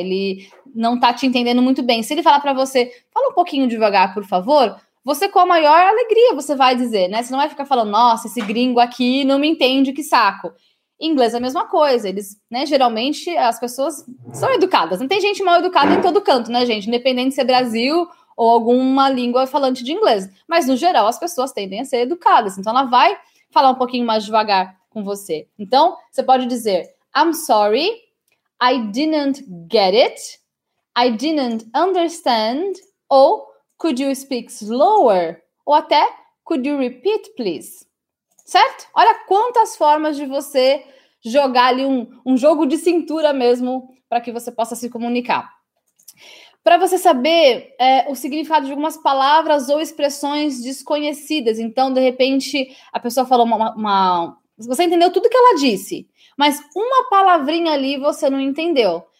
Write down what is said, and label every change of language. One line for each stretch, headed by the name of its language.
Portuguese: Ele não tá te entendendo muito bem. Se ele falar para você, fala um pouquinho devagar, por favor, você com a maior alegria você vai dizer, né? Você não vai ficar falando, nossa, esse gringo aqui não me entende, que saco. Em inglês é a mesma coisa, eles, né? Geralmente as pessoas são educadas, não tem gente mal educada em todo canto, né, gente? Independente se é Brasil ou alguma língua falante de inglês. Mas, no geral, as pessoas tendem a ser educadas, então ela vai falar um pouquinho mais devagar com você. Então, você pode dizer,
English: I'm sorry, I didn't get it, I didn't understand, ou could you speak slower,
Portuguese: ou até
English: could you repeat, please, certo?
Portuguese: Olha quantas formas de você jogar ali um jogo de cintura mesmo para que você possa se comunicar. Para você saber o significado de algumas palavras ou expressões desconhecidas, então, de repente, a pessoa falou você entendeu tudo que ela disse, mas uma palavrinha ali você não entendeu.